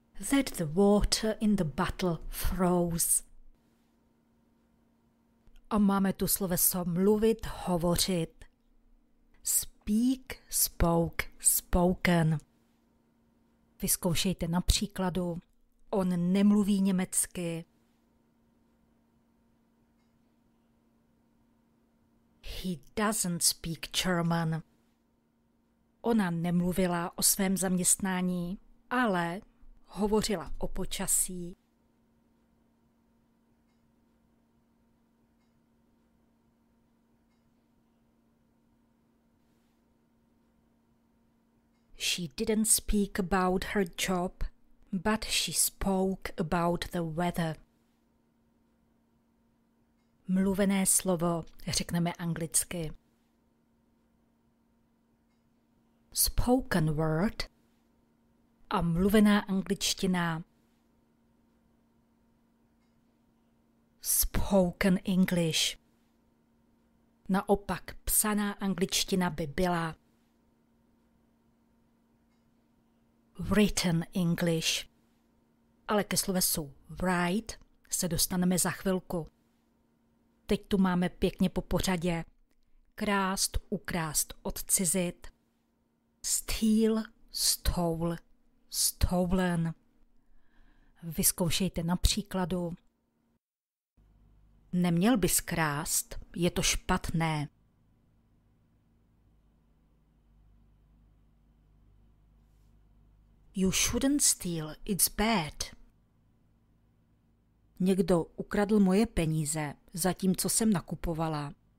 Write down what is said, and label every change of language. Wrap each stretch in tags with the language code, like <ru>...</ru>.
<en>That the water in the bottle froze.</en> <cs>A máme tu sloveso mluvit, hovořit.</cs> <en>Speak, spoke, spoken.</en> <cs>Vyzkoušejte na příkladu. On nemluví německy.</cs> <en>He doesn't speak German.</en> <cs>Ona nemluvila o svém zaměstnání, ale hovořila o počasí.</cs> <en>She didn't speak about her job, but she spoke about the weather.</en> <cs>Mluvené slovo řekneme anglicky.</cs> <en>Spoken word</en> <cs>a mluvená angličtina.</cs> <en>Spoken English.</en> <cs>Naopak psaná angličtina by byla</cs> <en>written English.</en> <cs>Ale ke slovesu write se dostaneme za chvilku. Teď tu máme pěkně po pořadě. Krást, ukrást, odcizit.</cs> <en>Steal, stole, stolen.</en> <cs>Vyzkoušejte na příkladu. Neměl bys krást, je to špatné.</cs> <en>You shouldn't steal, it's bad.</en> <cs>Někdo ukradl moje peníze, zatímco jsem nakupovala.</cs>